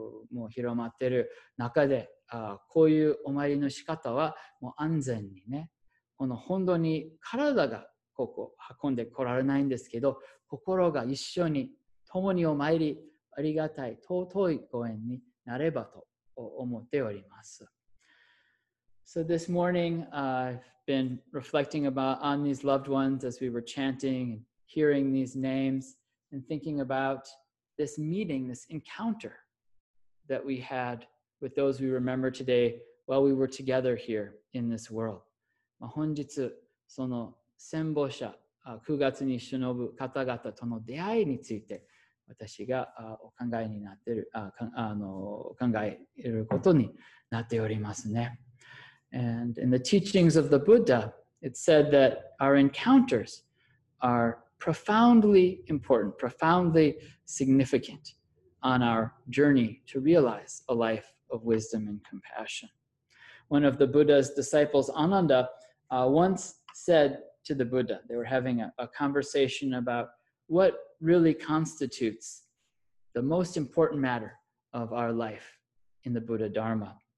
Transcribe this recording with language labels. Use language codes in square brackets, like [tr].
[ja] もう広まっている中で、こういうお参りの仕方はもう安全にね、この本堂に体がここ運んで来られないんですけど、心が一緒に共にお参り、ありがたい尊いご縁になればと思っております。 [en] So this morning, I've been reflecting on these loved ones as we were chanting and hearing these names and thinking about this meeting, this encounter that we had with those we remember today while we were together here in this world. [ja] 本日、その戦没者、9月にしのぶ方々との出会いについて、私がお考えになっている、考えることになっておりますね。 [en] And in the teachings of the Buddha, it said that our encounters are profoundly important, profoundly significant on our journey to realize a life of wisdom and compassion. One of the Buddha's disciples, Ananda, once said to the Buddha, they were having a conversation about what really constitutes the most important matter of our life in the Buddha Dharma.